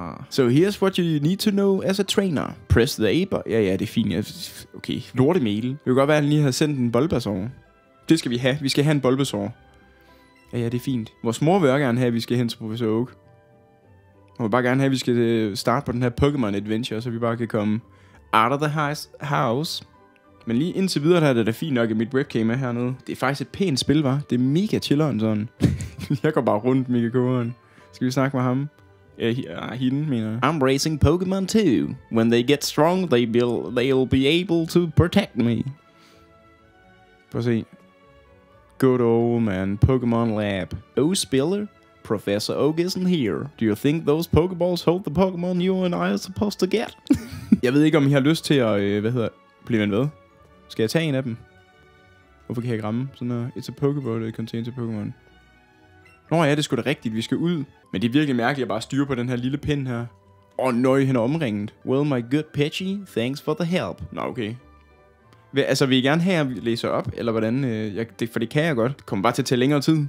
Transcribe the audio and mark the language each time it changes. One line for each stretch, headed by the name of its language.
English: So here's what you need to know as a trainer. Press the A button.
Danish: Ja, det er fint. Ja. Okay. Lorte mail. Det kan godt være, at han lige har sendt en Bulbasaur. Det skal vi have. Vi skal have en Bulbasaur. Ja, det er fint. Vores mor vil også gerne have, at vi skal hen til Professor Oak. Hun vil bare gerne have, at vi skal starte på den her Pokémon Adventure, så vi bare kan komme
English: out of the house.
Danish: Men lige indtil videre, der er det da fint nok, at mit webcam er hernede. Det er faktisk et pænt spil, hva'? Det er mega chilleren sådan. Jeg går bare rundt, mega kogeren. Skal vi snakke med ham? Ja, hende, mener jeg.
English: I'm raising Pokemon too. When they get strong, they'll be able to protect me.
Danish: Prøv at se.
English: Good old man, Pokemon Lab. Oh, Spiller, Professor Oak isn't here. Do you think those Pokeballs hold the Pokemon you and I are supposed to get?
Danish: Jeg ved ikke, om I har lyst til at, blive ven ved. Skal jeg tage en af dem? Hvorfor kan jeg ikke ramme sådan her?
English: It's a Pokeball, it contains a Pokemon.
Danish: Nå ja, det er sgu da rigtigt, vi skal ud. Men det er virkelig mærkeligt at bare styre på den her lille pind her. Åh, nøj, hen omringet.
English: Well, my good Pidgey, thanks for the help.
Danish: Nå, okay. Altså, vil I gerne have, at vi læser op, eller hvordan? For det kan jeg godt. Det kommer bare til at tage længere tid.